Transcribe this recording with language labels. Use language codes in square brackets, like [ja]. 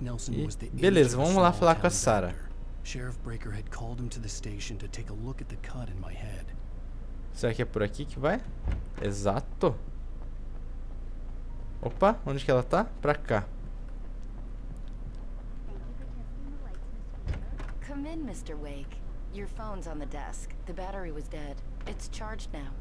[pt] E, beleza, vamos lá falar com a Sarah. [en] Sheriff Breaker had called him to the station to take a look at the cut in my head. [pt] Será que é por aqui que vai? Exato. Opa, onde que ela tá? Pra cá. [en] Come in, Mr. Wake. Your phone's on the desk. The battery was dead. It's charged now.